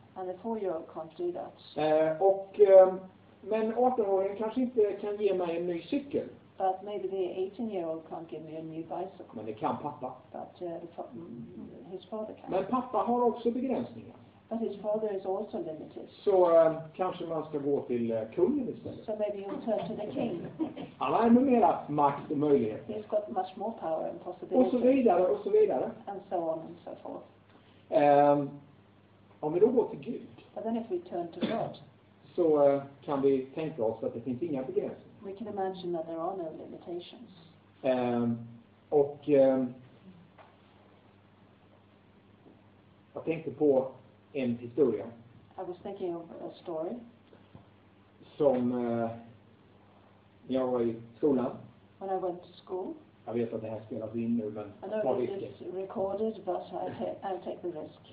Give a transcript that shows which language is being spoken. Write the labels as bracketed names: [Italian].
[English] And a four-year-old can't do that. [Swedish] Men 18-åringen kanske inte kan ge mig en ny cykel. [English] But maybe the 18-year-old can't give me a new bicycle. [Swedish] Men det kan pappa. [English] But his father can. [Swedish] Men pappa har också begränsningar. [English] But his father is also limited. [Swedish] Så kanske man ska gå till kungen istället. [English] So maybe you'll turn to the king. [Swedish] Han har ännu mera makt och möjlighet. [English] He's got much more power and possibility. [Swedish] Och så vidare och så vidare. [English] And so on and so forth. [Swedish] Om vi då går till Gud. [English] But then if we turn to God. [Swedish] Så kan vi tänka oss att det finns inga begränsningar. [English] We can imagine that there are no limitations. [Swedish] Jag tänkte på en historia. [English] I was thinking of a story. [Swedish] Som jag var i skolan. [English] When I went to school. [Swedish] Jag vet att det här spelas in nu, men [English] I know this is recorded, but I'll take the risk.